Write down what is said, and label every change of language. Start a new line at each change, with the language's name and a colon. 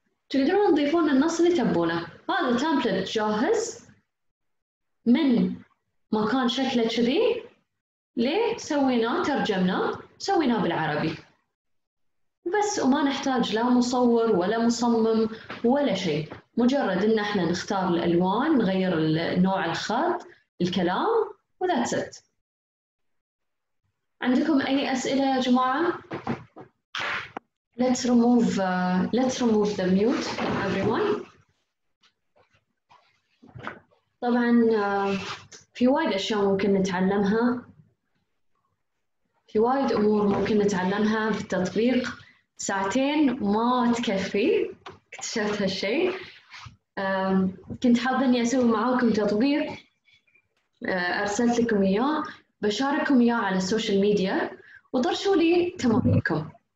Arabic: تقدرون تضيفون النص اللي تبونه. هذا تامبلت جاهز من مكان شكله كذي، ليه سويناه، ترجمناه، سويناه بالعربي بس، وما نحتاج لا مصور ولا مصمم ولا شيء، مجرد ان احنا نختار الالوان، نغير نوع الخط، الكلام، وذاتس ات. عندكم اي اسئله يا جماعه؟
English: let's remove the mute from everyone.
Arabic: طبعا في وايد اشياء ممكن نتعلمها، في وايد امور ممكن نتعلمها في التطبيق. ساعتين ما تكفي، اكتشفت هالشيء. كنت حابة اني اسوي معاكم تطبيق، ارسلت لكم اياه، بشارككم اياه على السوشيال ميديا، وطرشوا لي تمارينكم.